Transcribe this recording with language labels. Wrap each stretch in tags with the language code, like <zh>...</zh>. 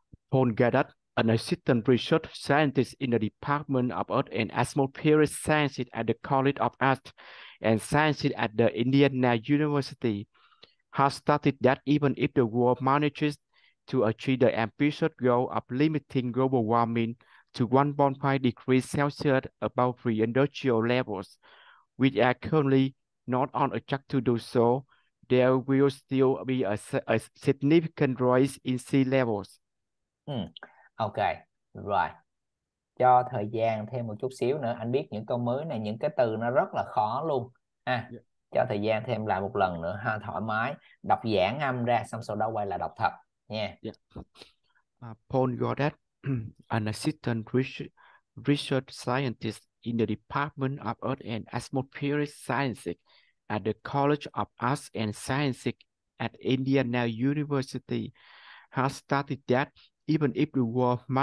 <en>Paul Gadot, an assistant research scientist in the Department of Earth and Atmospheric Sciences at the College of Earth and Sciences at the Indiana University, has stated that even if the world manages to achieve the ambitious goal of limiting global warming to 1.5 degrees Celsius above pre-industrial levels, which are currently not on a track to do so, there will still be a significant rise in sea levels.</en> <vi>Ok, rồi. Cho thời gian thêm một chút xíu nữa. Anh biết những câu mới này, những cái từ nó rất là khó luôn. Cho thời gian thêm lại một lần nữa ha, thoải mái. Đọc giảng âm ra, xong sau đó quay lại đọc thật nha.</vi> <en>Paul Gaudet, an assistant research scientist in the Department of Earth and Atmospheric Sciences at the College of Arts and Sciences at Indiana University, has stated that even if the world</en>